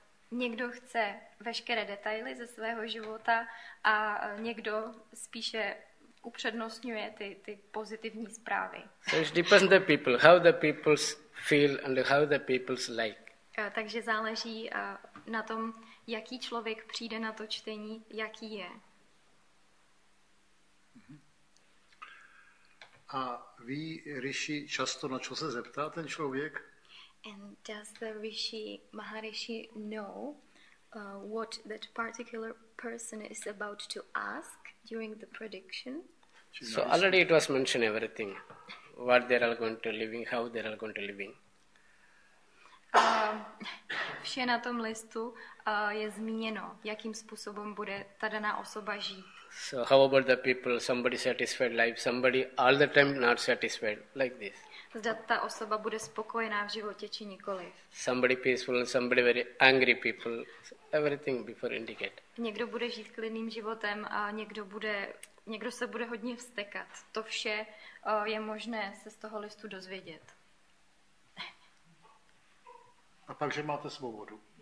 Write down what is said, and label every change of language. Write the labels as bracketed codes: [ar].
[cs] Někdo chce veškeré detaily ze svého života a někdo spíše upřednostňuje ty pozitivní zprávy. [en] So it depends on the people, how the people feel and how the people like. [cs] Takže záleží na tom, jaký člověk přijde na to čtení, jaký je. A ví Rishi často, na co se zeptá ten člověk? [en] And does the Rishi Maharishi know what that particular person is about to ask during the prediction? So already it was mentioned everything. What they are going to living, how they are going to living. [cs] vše na tom listu je zmíněno, jakým způsobem bude ta daná osoba žít. [en] So how about the people, somebody satisfied life, somebody all the time not satisfied, like this. [cs] Zda ta osoba bude spokojená v životě či nikoliv. [en] Somebody peaceful, somebody very angry people, everything before indicate. [cs] Někdo bude žít klidným životem a někdo se bude hodně vztekat. To vše je možné se z toho listu dozvědět. A takže máte svobodu.